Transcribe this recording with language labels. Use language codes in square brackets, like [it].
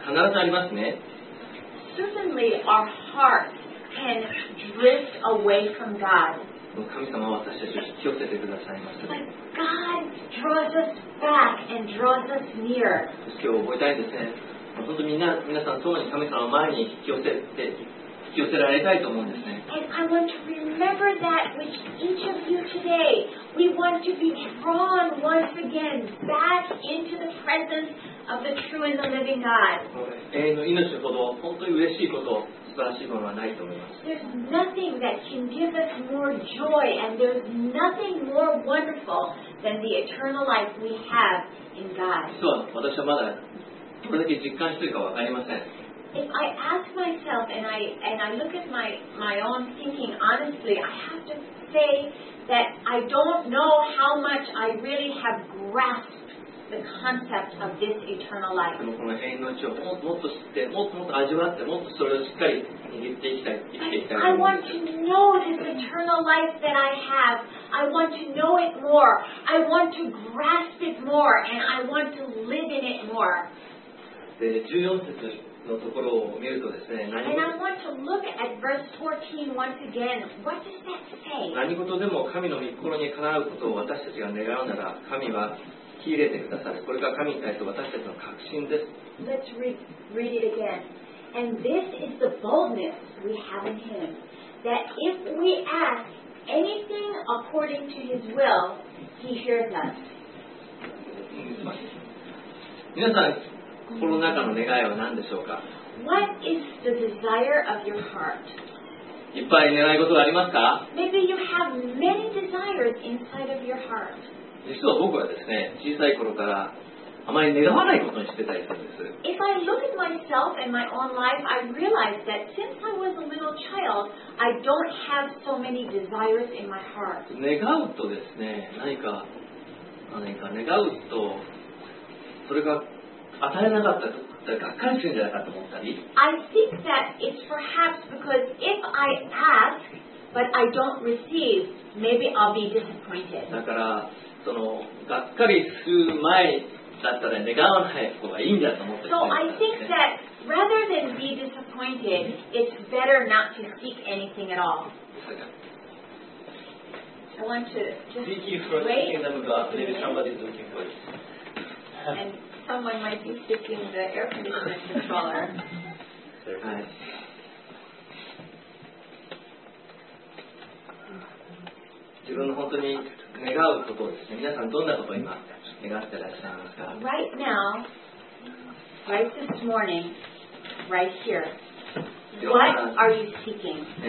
[en] Certainly, our heart can drift away from God. But God draws us back and draws us near. [ja] 今日覚えたいですね。本当に皆さん、そのように神様の前に引き寄せて。寄せられたいと思うんですね。 [en] And I want to remember that with each of you today. We want to be drawn once again back into the presence of the true and the living God. [ja] 永遠の命ほど本当に嬉しいこと、素晴らしいものはないと思います。 [en] There's nothing that can give us more joy, and there's nothing more wonderful than the eternal life we have in God. [ja] 実は私はまだどれだけ実感しているかわかりません。 [en] If I ask myself and I look at my own thinking honestly, I have to say that I don't know how much I really have grasped the concept of this eternal life. [ja] でもこの永遠の命をもっと知って、もっともっと味わって、もっとそれをしっかり握っていきたい、生きていきたい。 [en] I want to know this eternal life that I have. I want to know it more. I want to grasp it more, and I want to live in it more. [ja] で、14節のところを見るとですね、何事でも神の御心にかなうことを私たちが願うなら、神は引き入れてくださる。これが神に対する私たちの確信です。 [en] Let's read it again. And this is the boldness we have in Him, that if we ask anything according to His will, He hears us. [ja] 皆さん、心の中の願いは何でしょうか。 [en] What is the desire of your heart? [ja] いっぱい願い事がありますか。 [en] Maybe you have many desires inside of your heart. [ja] 実は僕はですね、小さい頃からあまり願わないことにしてたりするんです。 [en] If I look at myself and my own life, I realize that since I was a little child, I don't have so many desires in my heart. [ja] 願うとですね、何か願うと、それが与えなかったとか、がっかりするんじゃないかと思ったり。 [en] I think that it's perhaps because if I ask but I don't receive, maybe I'll be disappointed. [ja] だから、そのがっかりする前だったら願わない方がいいんだと思って。 [en] So I think that rather than be disappointed, it's better not to seek anything at all. I want to just thank you for wait. Thinking of God. Maybe somebody's looking for it. Someone might be sticking the air conditioner controller. [ja] 自分の本当に願うことですね。 [en] Right now, right this morning, right here, what are you seeking?